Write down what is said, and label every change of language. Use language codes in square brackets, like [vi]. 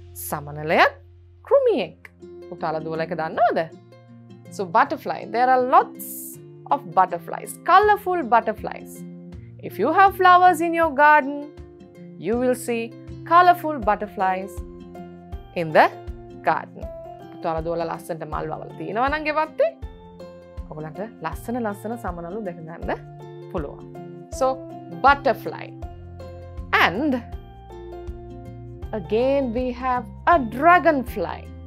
[si] සමනලයක් කෘමියෙක්. උතාලා දුවලා එක දන්නවද? [en] So, butterfly. There are lots of butterflies, colorful butterflies. If you have flowers in your garden, you will see colorful butterflies in the garden. [si] තොල දොල ලස්සනට මල් වවලා තිනවා නම් ගෙවත්තේ ඔයගලන්ට ලස්සන ලස්සන සමනලු දැක ගන්න පුළුවන්. [en] So butterfly. And again we have a dragonfly.